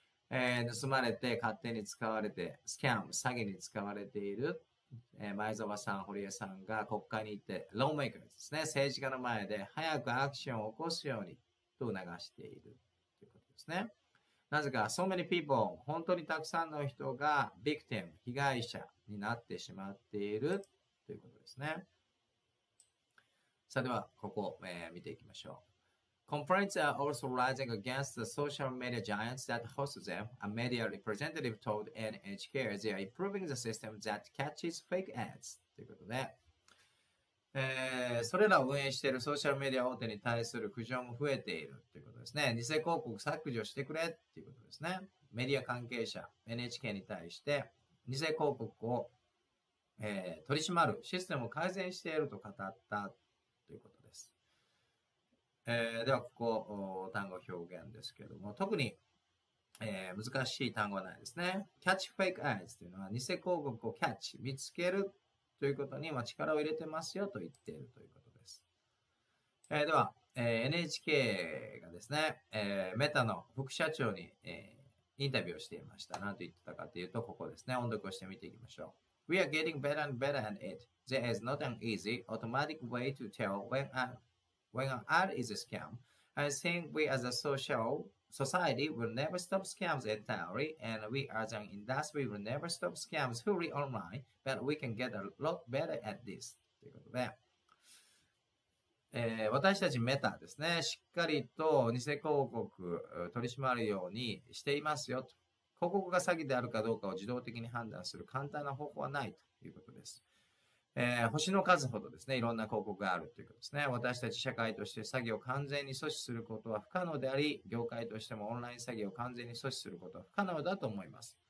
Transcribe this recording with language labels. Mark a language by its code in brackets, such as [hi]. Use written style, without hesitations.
[ja] 盗まれて、勝手に使われて、スキャン、詐欺に使われている、前澤さん、堀江さんが国会に行って、ローメイクですね、政治家の前で、早くアクションを起こすようにと促しているということですね。なぜか、 [en] so many people、 [ja] 本当にたくさんの人が、ビクティム、被害者になってしまっているということですね。さあ、では、ここ、見ていきましょう。 [en] Complaints are also rising against the social media giants that host them. A media representative told NHK they are improving the system that catches fake ads. [ja] ということで、それらを運営しているソーシャルメディア大手に対する苦情も増えているということですね。偽広告削除してくれということですね。メディア関係者、NHK に対して偽広告を、取り締まるシステムを改善していると語ったということです。ではここ単語表現ですけれども、特に、難しい単語はないですね。キャッチフェイクアイズというのは偽広告をキャッチ、見つけるということに力を入れてますよと言っているということです。では、NHK がですね、メタの副社長に、インタビューをしていました。何と言ってたかというと、ここですね。音読をしてみていきましょう。 [en] We are getting better and better at it. There is not an easy automatic way to tell when an ad is a scam. I think we as a social society will never stop scams entirely, and we as an industry will never stop scams fully online, but we can get a lot better at this. [ja] ということで、私たちメタですね、しっかりと偽広告を取り締まるようにしていますよと。広告が詐欺であるかどうかを自動的に判断する簡単な方法はないということです。星の数ほどですね、いろんな広告があるということですね。私たち社会として詐欺を完全に阻止することは不可能であり、業界としてもオンライン詐欺を完全に阻止することは不可能だと思います。